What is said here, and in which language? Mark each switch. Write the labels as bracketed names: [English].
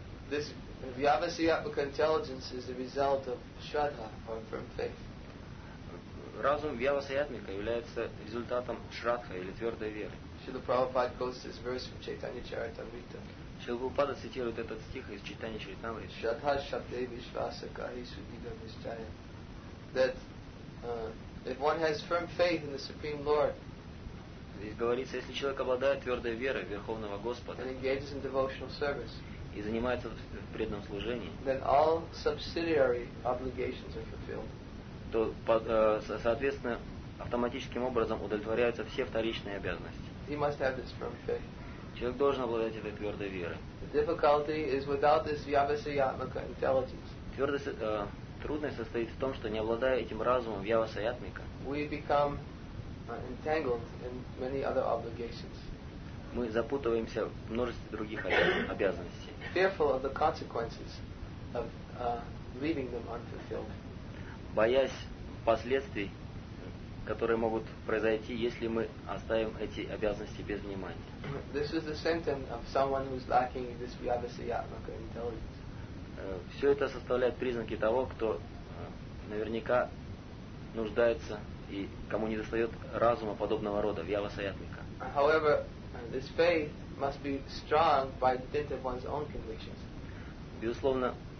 [English] This вьявасаятмика intelligence is the result of shraddha, or firm faith. [Russian] Разум вьявасаятмика является результатом шрадха или твердой веры. [English] Шрила Прабхупада quotes this verse from Chaitanya Charitamrita. [Russian] Шрила Прабхупада цитирует этот стих из Чайтанья Чаритамриты. [Sanskrit] Шрадха шабде вишваса кахи судида нишчая. [English] That if one has firm faith in the Supreme Lord. [Russian] Здесь говорится, если человек обладает твердой верой Верховного Господа [English] service, [Russian] и занимается в преданном служении, [English] then all subsidiary obligations are fulfilled. [Russian] То, соответственно, автоматическим образом удовлетворяются все вторичные обязанности. [English] He must have this firm faith. [Russian] Человек должен обладать этой твердой верой. [English] The difficulty is without this vyavasayatmaka intelligence. [Russian] Трудность состоит в том, что не обладая этим разумом вьявасаятмика, [English] we become entangled in many other obligations. [Russian] Мы запутываемся в множестве других обязанностей. [English] Fearful of the consequences of leaving them unfulfilled. [Russian] Боясь последствий, которые могут произойти, если мы оставим эти обязанности без внимания. [English] This is the symptom of someone who's lacking this vyavasayatmaka intelligence. [Russian] Все это составляет признаки того, кто наверняка нуждается и кому не достает разума подобного рода, вьявасаятмика. [English] However, this faith must be strong by dint of one's own convictions. [Russian] Безусловно,